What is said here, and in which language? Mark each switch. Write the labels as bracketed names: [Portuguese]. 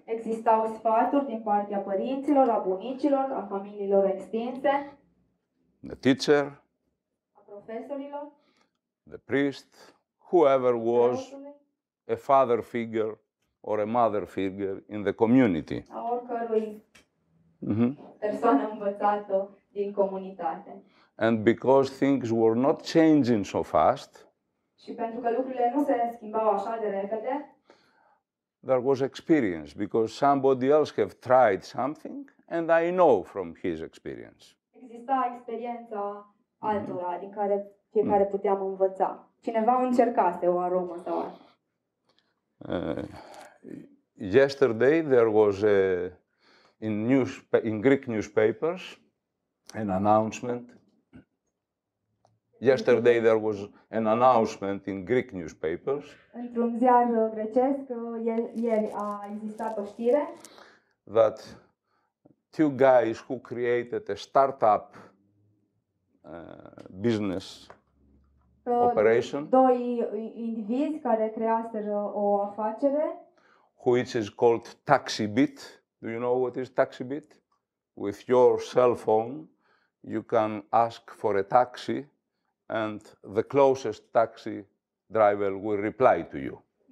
[Romanian] Existau sfaturi din partea părinților, a bunicilor, a familiilor extinse. [English] The teacher. [Romanian] A profesorilor. [English] The priest, whoever was a father figure or a mother figure in the community. [Romanian] A oricărui persoană învățată din comunitate. [English] And because things were not changing so fast, [Romanian] și pentru că lucrurile nu se schimbau așa de repede, [English] there was experience, because somebody else have tried something, and I know from his experience. [Romanian] Exista experiența altora, din care fiecare puteam învăța. Cineva încercase o aromă sau altă. [English] Yesterday there was in Greek newspapers an announcement. Yesterday there was an announcement in Greek newspapers. [Romanian] Într-un ziar grecesc, ieri a existat o știre. [English] That two guys who created a startup business operation. [Romanian] Doi indivizi care creaseră o afacere. [English] Which is called TaxiBit. Do you know what is TaxiBit? With your cell phone, you can ask for a taxi. And the closest taxi driver will reply to you.